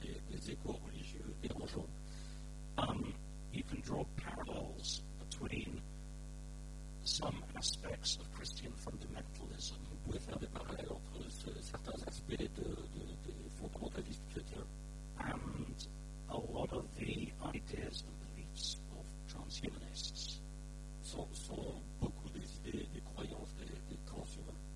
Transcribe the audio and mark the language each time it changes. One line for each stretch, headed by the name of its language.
French: Des échos religieux dérangeants.
English: You can draw parallels between some aspects of Christian fundamentalism.
French: Vous pouvez faire des parallèles entre certains aspects de fondamentalisme chrétien
English: and a lot of the ideas and beliefs of transhumanists.
French: Sont beaucoup des idées, des croyances des transhumains.